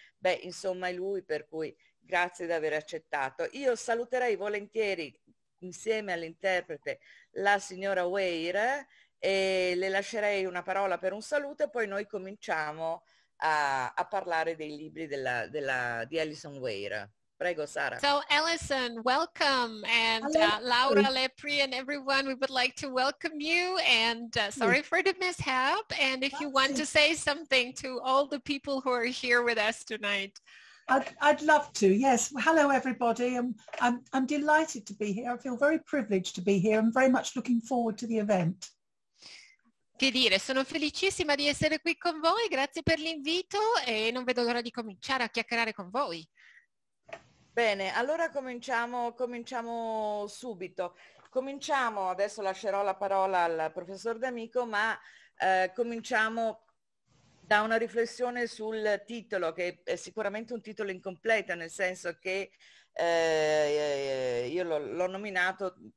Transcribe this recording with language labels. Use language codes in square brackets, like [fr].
[it] Beh, insomma, è lui, per cui grazie di aver accettato. Io saluterei volentieri, insieme all'interprete la signora Weir, e le lascerei una parola per un saluto, e poi noi cominciamo a parlare dei libri di Alison Weir. Prego, Sara. [en] So, Ellison, welcome, and [it] Allora, [en] Laura, Lepri, and everyone, we would like to welcome you, and sorry for the mishap, and if you want to say something to all the people who are here with us tonight. I'd love to. Yes. Hello, everybody. I'm delighted to be here. I feel very privileged to be here. I'm very much looking forward to the event. [it] Che dire, sono felicissima di essere qui con voi, grazie per l'invito e non vedo l'ora di cominciare a chiacchierare con voi. Bene, allora cominciamo subito. Cominciamo, adesso lascerò la parola al professor D'Amico, ma cominciamo da una riflessione sul titolo, che è sicuramente un titolo incompleto, nel senso che io l'ho nominato